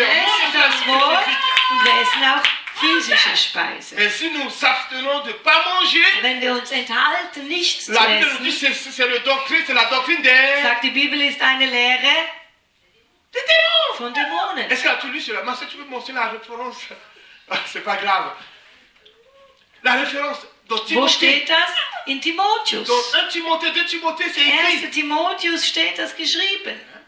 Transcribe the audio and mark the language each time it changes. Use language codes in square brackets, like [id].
[de] wir essen das Wort und wir essen auch physische Speise. [fr] Et si nous abstenons de pas manger, [de] wenn wir uns enthalten, nichts [fr] la [de] zu essen, [fr] Bible dit, c'est le doctrine, c'est la doctrine de... [de] sagt die Bibel, ist eine Lehre von Dämonen. [fr] Est-ce que tu lis cela? Marcel, tu peux mentionner la référence? C'est pas grave. La référence dans Timothée. [de] Wo steht das? In Timotheus. [fr] Dans 1 Timothée, 2 Timothée, c'est écrit. [de] 1. Timotheus steht das geschrieben.